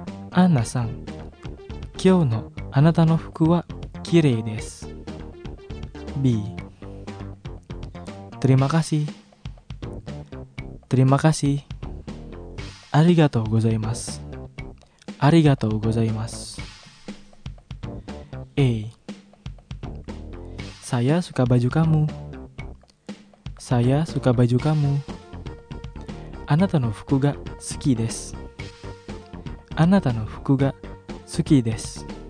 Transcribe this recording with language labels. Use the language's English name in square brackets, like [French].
[Japanese] アンナさん、今日のあなたの服はきれいです。 [Indonesian] B、 terima kasih、 terima kasih、 [Japanese] ありがとうございます、ありがとうございます。 [Indonesian] A、 saya suka baju kamu、 saya suka baju kamu、 [Japanese] あなたの服が好きです。あなたの服が好きです。